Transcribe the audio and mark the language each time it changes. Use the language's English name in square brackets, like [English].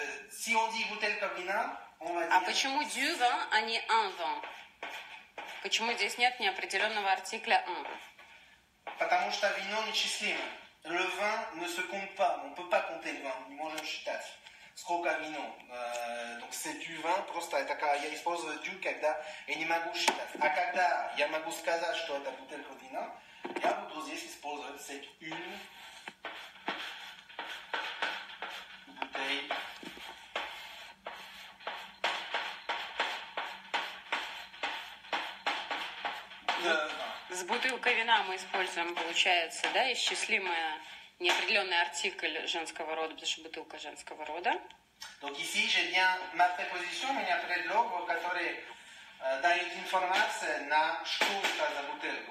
[French] Si on dit bouteille comme vin. [Russian] А почему [French] du vin, [Russian] а не [French] un vin? [Russian] Почему здесь нет неопределенного артикля [French] un? [Russian] Потому что вино нечислимо. [French] Le vin ne se compte pas. On peut pas compter le vin. [Russian] Не можем считать. Сколько вино. [French] Donc c'est du vin. [Russian] Просто это, я использую [French] du, [Russian] когда я не могу считать. А когда я могу сказать, что это бутылка вина, я буду здесь использовать [French] c'est une bouteille. [Russian] С бутылкой вина мы используем, получается, да, исчислимое неопределенный артикль женского рода, потому что бутылка женского рода. [French] Donc ici j'ai bien ma préposition, mais après l'ordre, [Russian] который дает информацию на что это за бутылка.